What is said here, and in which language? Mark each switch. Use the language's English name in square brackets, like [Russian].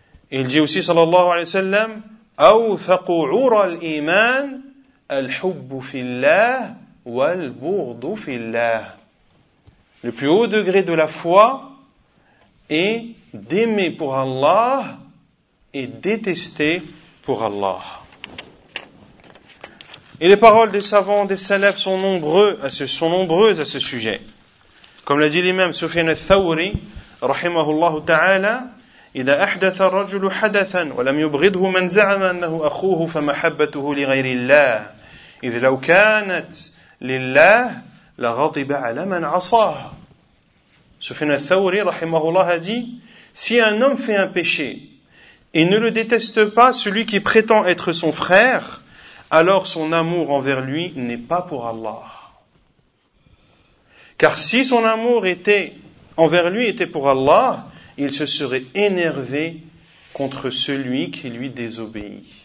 [French] Et il dit aussi, sallallahu alayhi wa sallam, « [Arabic] Awthaqu ura al-iman, al-hubbu fillah, wal-burdu fillah. [French] » Le plus haut degré de la foi est d'aimer pour Allah et détester pour Allah. Et les paroles des savants, des salafs sont nombreuses à ce sujet. Comme l'a dit l'imam [Arabic] Sufyan al-Thawri, rahimahullah ta'ala, إذا أحدث الرجل حدثا ولم يبغضه من زعم أنه أخوه فمحبته لغير الله إذ لو كانت لله لغضب على من عصاه. [French] Sufyan al-Thawri, rahimahullah, a dit, si un homme fait un péché et ne le déteste pas celui qui prétend être son frère, alors son amour envers lui n'est pas pour Allah. Car si son amour était envers lui était pour Allah, il se serait énervé contre celui qui lui désobéit.